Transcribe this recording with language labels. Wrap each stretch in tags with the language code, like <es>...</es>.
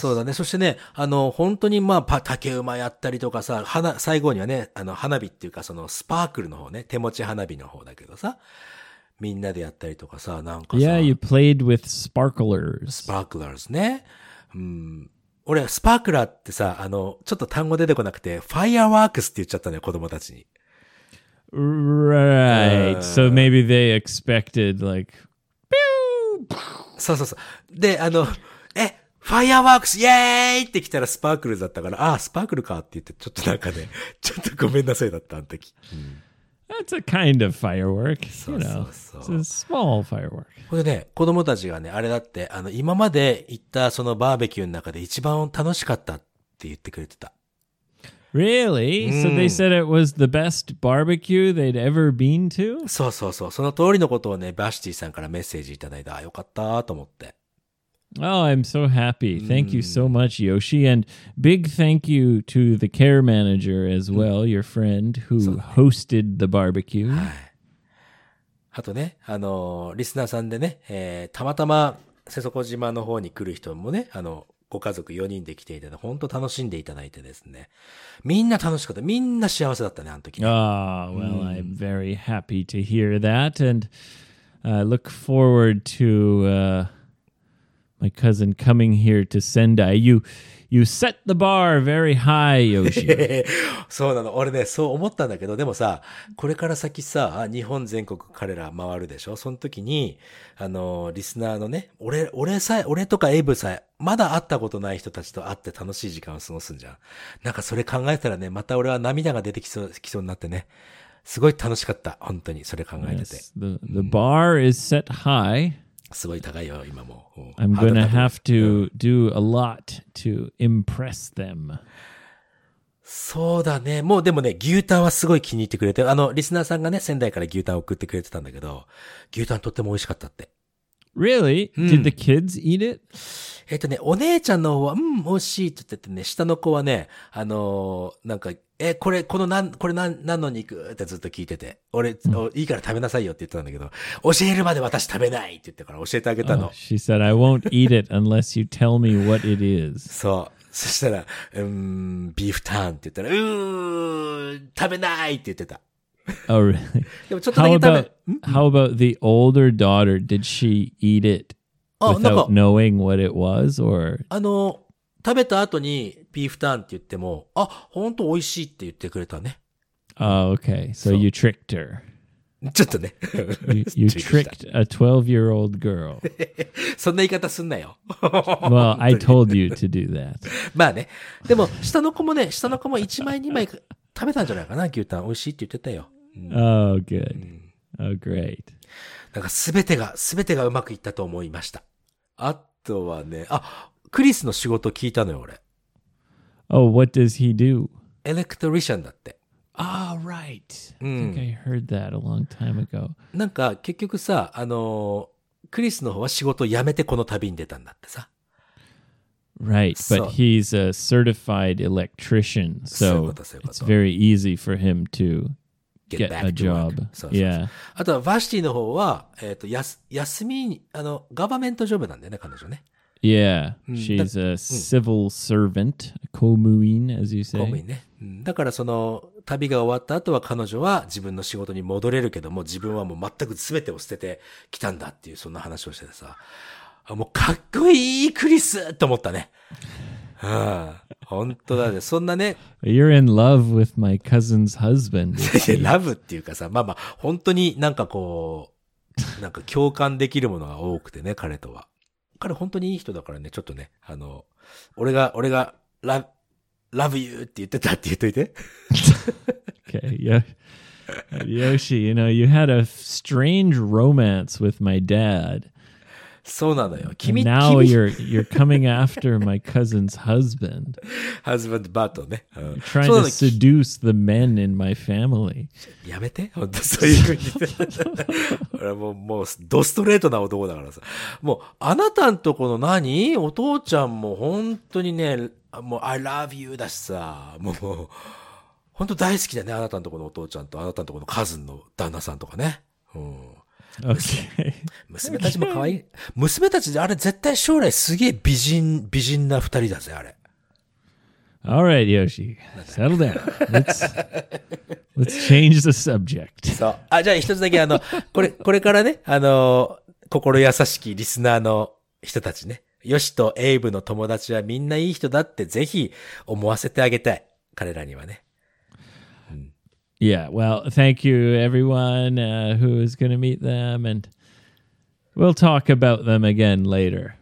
<ja>そうだね。そしてね、本当にまあ竹馬やったりとかさ、最後にはね、花火っていうかそのスパークルの方ね、手持ち花火の方だけどさ、みんなでやったりとかさ、なんかさ、</ja> <en>Yeah, you played with sparklers.</en> <ja>Sparklers ね。俺スパークラーってさ、ちょっと単語出てこなくて、fireworks って言っちゃったね、子供たちに。</ja> <en>Right. So maybe they expected like.</en> <ja>そうそうそう。で、ファイアワークスイエーイって来たらスパークルだったから、ああ、スパークルかって言って、ちょっとなんかね、ちょっとごめんなさいだったあの時。うん、</ja> <en>That's a kind of firework. You know, it's a small firework.</en> <ja>これね、子供たちがね、あれだって、あの、今まで行ったそのバーベキューの中で一番楽しかったって言ってくれてた。</ja> <en>Really?、</en> <ja>うん、</ja> <en>so they said it was the best barbecue they'd ever been to?</en> <ja>そうそうそう。その通りのことをね、バシティさんからメッセージいただいた。よかったと思って。</ja> <en>Oh, I'm so happy. Thank you so much, Yoshi. And big thank you to the care manager as well, your friend who hosted the barbecue.</en> <ja>はい。あとね、リスナーさんでね、たまたま瀬底島の方に来る人もね、ご家族4人で来ていただいて、本当楽しんでいただいてですね。みんな楽しかった。みんな幸せだったね、あの時。</ja> <en>Ah, well, I'm very happy to hear that. And I look forward to, my cousin coming here to Sendai. You set the bar very high, Yoshi.</en> <ja>そうなの。俺ね、そう思ったんだけど、でもさ、これから先さ、日本全国彼ら回るでしょ。その時に、リスナーのね、俺とかエイブさえ、まだ会ったことない人たちと会って楽しい時間を過ごすんじゃん。なんかそれ考えたらね、また俺は涙が出てきそうになってね。すごい楽しかった。本当に、それ考えてて。</ja> <en>Yes. The bar is set high.</en> <ja>すごい高いよ今も。</ja> <en>I'm gonna have to do a lot to impress them.</en> <ja>そうだね。もうでもね、牛タンはすごい気に入ってくれて、リスナーさんがね、仙台から牛タン送ってくれてたんだけど、牛タンとっても美味しかったって。</ja> <en>Really?、</en> <ja>うん、</ja> <en>Did the kids eat it?</en> <ja>ね、お姉ちゃんの方は、うん、美味しいって言っててね、下の子はね、なんか、これ何の肉ってずっと聞いてて、俺、いいから食べなさいよって言ってたんだけど、教えるまで私食べないって言ってから教えてあげたの。</ja> <en>Oh, she said, I won't eat it unless you tell me what it is.</en> <ja>そう。そしたら、ビーフタンって言ったら、食べないって言ってた。</ja> <en>Oh, really?</en> <ja>でもちょっとだけ食べ、</ja> <en>How about the older daughter? Did she eat it without knowing what it was? Or?</en> <ja>食べた後にビーフタンって言っても、あ、ほんと美味しいって言ってくれたね。</ja> <en>Oh, okay. So you tricked her.</en> <ja>ちょっとね。</ja> <en>you tricked a 12-year-old girl.</en> <ja>そんな言い方すんなよ。</ja> <en>well, I told you to do that.</en> <ja>まあね。でも、下の子もね、下の子も1枚2枚食べたんじゃないかな、牛タン。美味しいって言ってたよ。うん、</ja> <en>oh, good. Oh, great.</en> <ja>なんか全てがうまくいったと思いました。あとはね、あ、クリスの仕事聞いたのよ、俺。</ja> <en>Oh, what does he do?</en> <ja>エレクトリシャンだって。</ja> <en>Ah, right. I think I heard that a long time ago.</en> <ja>なんか、結局さ、クリスの方は仕事を辞めてこの旅に出たんだってさ。</ja> <en>Right, but he's a certified electrician, so it's very easy for him to get a job.</en> <ja>あとは、バシティの方は、休み、ガバメントジョブなんだよね、彼女ね。</ja> <en>Yeah, she's a civil servant, komuin, as you say.</en> <ja>Komuin, ね。だからその旅が終わった後は彼女は自分の仕事に戻れるけども、自分はもう全く全てを捨ててきたんだっていうそんな話をしててさ、もうかっこいいクリスと思ったね。本当だね。そんなね。</ja> <en>You're in love with my cousin's husband.</en> <ja>ラブっていうかさ、まあまあ本当になんかこうなんか共感できるものが多くてね、彼とは。彼本当にいい人だからね、ちょっとね、俺が、</ja> <en>love you</en> <ja>って言ってたって言っといて。</ja> <en>Okay, Yoshi, you know, you had a strange romance with my dad.</en> <ja>そうなのよ。君、</ja> <en>now you're coming after my cousin's husband. Husband battle</en> <ja>ね。</ja> <en>Trying to seduce the men in my family.</en> <ja>やめて、本当そういう風に。俺もうドストレートな男だからさ。もうあなたんとこの何？お父ちゃんも本当にね、もう</ja> <en>I love you</en> <ja>だしさ、もう本当大好きだね、あなたんとこのお父ちゃんとあなたんとこのカズンの旦那さんとかね。うん。</ja> <en>Okay.</en> <ja>娘たちも可愛い。娘たちであれ絶対将来すげえ美人な二人だぜあれ。</ja> <en>All right, Yoshi. Settle down. Let's change the subject.</en> <ja>そう。あ、じゃあ一つだけこれからね、心優しきリスナーの人たちね。ヨシとエイブの友達はみんないい人だってぜひ思わせてあげたい。彼らにはね。</ja> <en>Yeah, well, thank you everyone, who is going to meet them, and we'll talk about them again later.</en>